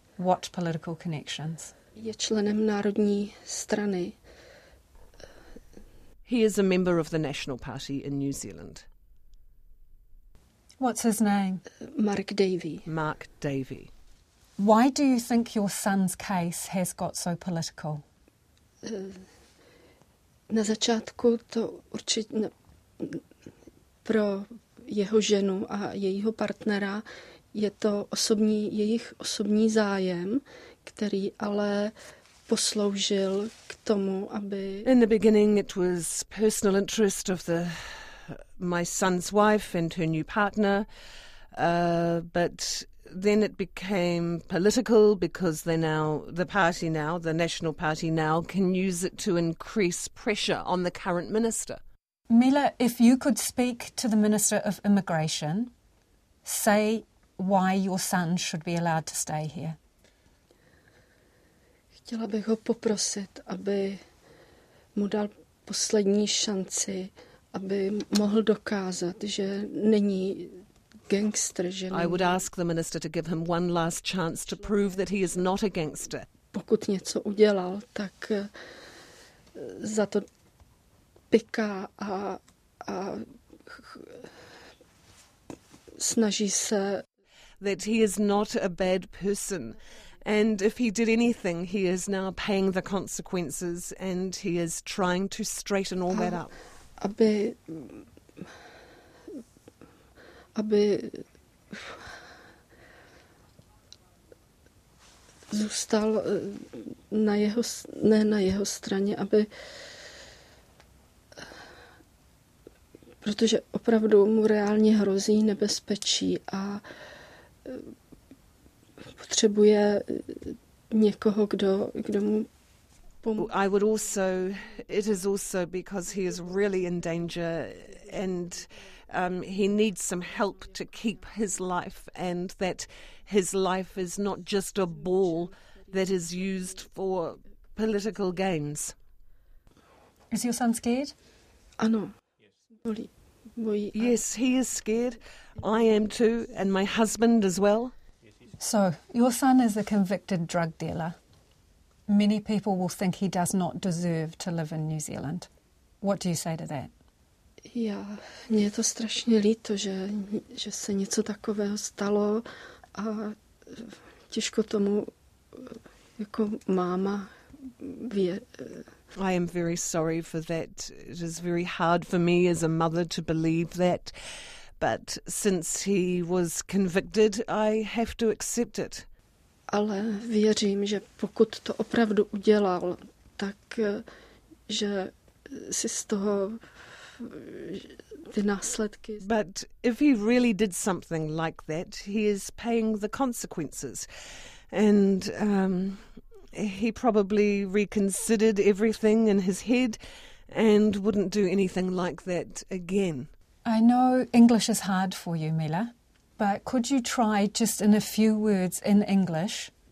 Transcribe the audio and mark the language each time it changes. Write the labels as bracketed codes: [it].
[en] What political connections? [cs] Je členem Národní strany. [en] He is a member of the National Party in New Zealand. What's his name? Mark Davey. Mark Davey. Why do you think your son's case has got so political? [cs] Na začátku to určitě pro jeho ženu a jejího partnera je to osobní, jejich osobní zájem, který ale posloužil k tomu, aby... [en] In the beginning it was personal interest of the my son's wife and her new partner, but then it became political because the National Party now can use it to increase pressure on the current minister. Mela, if you could speak to the Minister of Immigration, say why your son should be allowed to stay here. [cs] Chtěla bych ho poprosit, aby mu dal poslední šanci, aby mohl dokázat, že není gangster. Že není. [en] I would ask the minister to give him one last chance to prove that he is not a gangster. [cs] Pokud něco udělal, tak za to piká a snaží se. [en] That he is not a bad person. And if he did anything, he is now paying the consequences and he is trying to straighten all that up. [cs] Aby zůstal na jeho, ne na jeho straně, aby, protože opravdu mu reálně hrozí nebezpečí a potřebuje někoho, kdo mu... [en] I would also, it is also because he is really in danger and he needs some help to keep his life and that his life is not just a ball that is used for political gains. Is your son scared? [cs] Ano. [en] Yes, he is scared. I am too, and my husband as well. So, your son is a convicted drug dealer. Many people will think he does not deserve to live in New Zealand. What do you say to that? [cs] Já, mě je to strašně líto, že se něco takového stalo a těžko tomu jako máma vě. [en] I am very sorry for that. It is very hard for me as a mother to believe that. But since he was convicted, I have to accept it. [cs] Ale věřím, že pokud to opravdu udělal, tak že si z toho ty následky... [en] But if he really did something like that, he is paying the consequences. And he probably reconsidered everything in his head and wouldn't do anything like that again. I know English is hard for you, Mela. But could you try just in a few words in English